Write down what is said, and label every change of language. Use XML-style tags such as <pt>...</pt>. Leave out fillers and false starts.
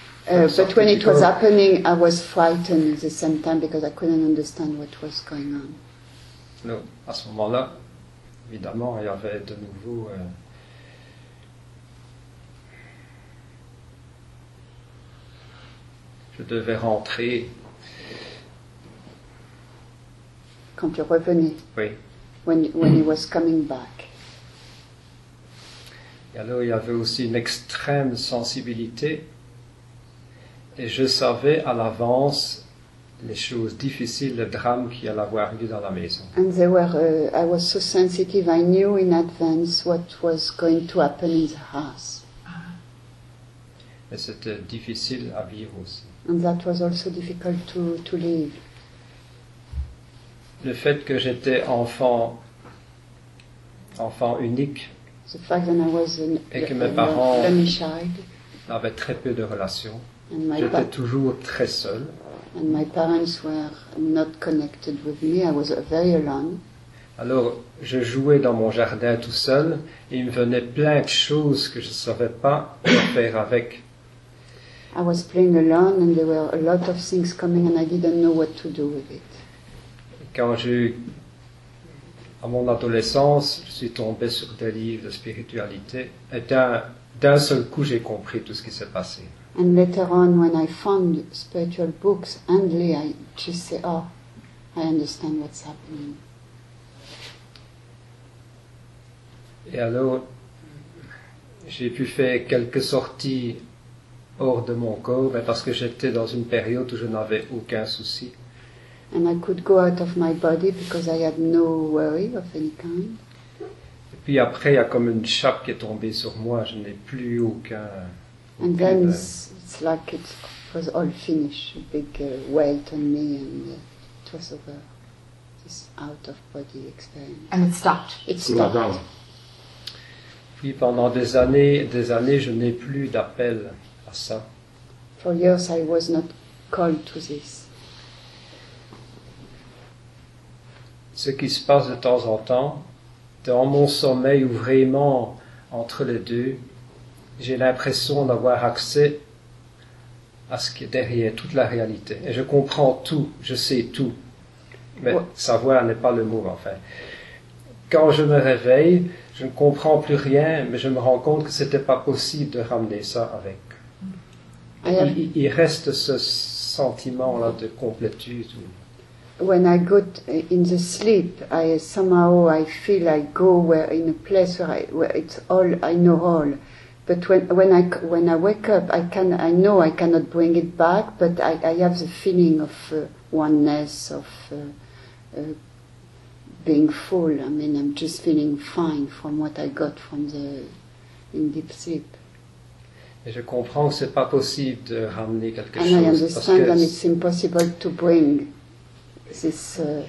<en>But when it was happening, I was frightened at the same time because I couldn't understand what was going on.</en> <fr>Non, à ce moment-là, évidemment, il y avait de nouveau. Je devais rentrer. Quand tu revenais. Oui.</fr> <en>When he was coming back.</en> <fr>Et alors, il y avait aussi une extrême sensibilité, et je savais à l'avance les choses difficiles, le drame qui allait avoir lieu dans la maison.</fr> <en>And they were, I was so sensitive, I knew in advance what was going to happen in the house.</en> <fr>Et c'était difficile à vivre aussi.</fr> <en>And that was also difficult to live.</en> <fr>Le fait que j'étais enfant unique,</fr> <en>the fact that I was</en> <fr>et que mes parents avaient très peu de relations, j'étais toujours très seul.</fr> <en>And my parents were not connected with me. I was very alone.</en> <fr>Alors, je jouais dans mon jardin tout seul. Et il me venait plein de choses que je ne savais pas quoi faire avec.</fr> <en>I was playing alone, and there were a lot of things coming, and I didn't know what to do with it.</en> <fr>Quand j'ai, à mon adolescence, je suis tombé sur des livres de spiritualité, et d'un seul coup, j'ai compris tout ce qui s'est passé.</fr> <en>And later on, when I found spiritual books, endly, I just say, oh, I understand what's happening.</en> <fr>Et alors, j'ai pu faire quelques sorties hors de mon corps, mais parce que j'étais dans une période où je n'avais aucun souci.</fr> <en>And I could go out of my body because I had no worry of any kind.</en> <fr>Et puis après, il y a comme une chape qui est tombée sur moi, je n'ai plus aucun...</fr> <en>And then it's like it was all finished, a big weight on me, and it was over, this out-of-body experience. And it stopped. It stopped.</en> <fr>Puis pendant des années, je n'ai plus d'appel à ça.</fr> <en>For years, I was not called to this.</en> <fr>Ce qui se passe de temps en temps, dans mon sommeil ou vraiment entre les deux, j'ai l'impression d'avoir accès à ce qui est derrière toute la réalité. Et je comprends tout, je sais tout. Mais savoir n'est pas le mot, enfin. Quand je me réveille, je ne comprends plus rien, mais je me rends compte que ce n'était pas possible de ramener ça avec. Il reste ce sentiment-là de complétude.</fr> <en>When I go in the sleep, I feel I go where, in a place where it's all, I know all. But when I wake up, I cannot bring it back, but I have the feeling of oneness, of being full. I mean, I'm just feeling fine from what I got from the in deep sleep.</en> <fr>Et je comprends que c'est pas possible de ramener quelque</fr> <en>and</en> <fr>chose.</fr> <en>And I understand that it's impossible to bring this.</en>